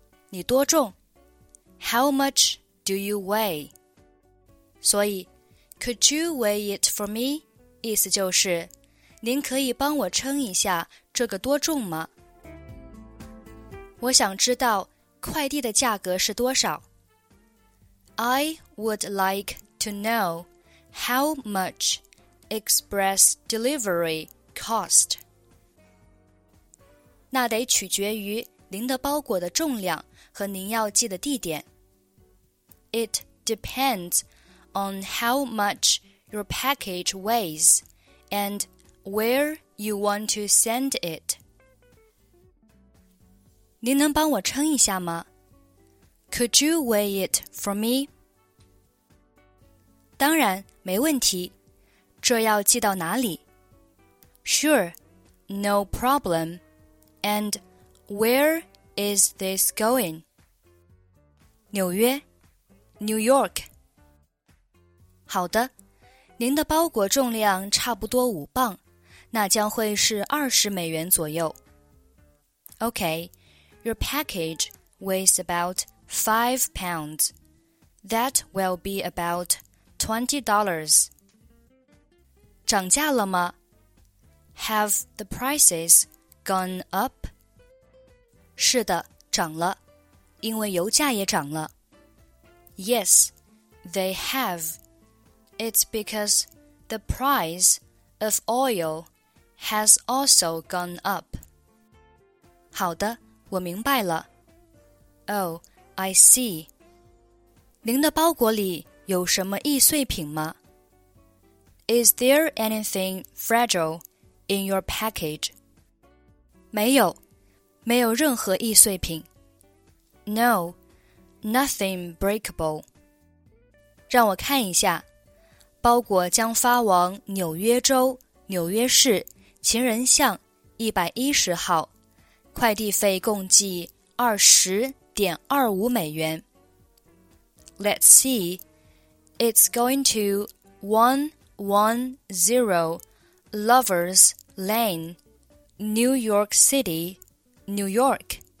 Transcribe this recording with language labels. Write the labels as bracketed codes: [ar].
[zh] 你多重 [en] ?How much do you weigh? [zh] 所以 [en] ,could you weigh it for me? [zh] 意思就是，您可以帮我称一下这个多重吗？我想知道快递的价格是多少。 [en] I would like to know how much express delivery cost. [zh] 那得取决于您的包裹的重量和您要寄的地点。 [en] It depends on how much your package weighs and where you want to send it. [zh] 您能帮我称一下吗？ [en] Could you weigh it for me? [zh] 当然，没问题。这要寄到哪里？ [en] Sure, no problem. And where is this going? [zh] 纽约 [en] New York. [zh] 好的，您的包裹重量差不多5磅，那将会是20美元左右。 [en] Okay, your package weighs about 5 pounds. That will be about $20. [zh] 涨价了吗? [en] Have the prices gone up? [zh] 是的，涨了，因为油价也涨了。 [en] Yes, they have. It's because the price of oil has also gone up. [zh] 好的，我明白了。 [en] Oh, I see. [zh] 您的包裹里有什么易碎品吗？ [en] Is there anything fragile in your package? [zh] 没有，没有任何易碎品。 [en] No, nothing breakable. [zh] 让我看一下，包裹将发往纽约州纽约市情人巷110号，快递费共计 20.25 美元。 [en] Let's see, it's going to 110 Lovers Lane, New York City, New York.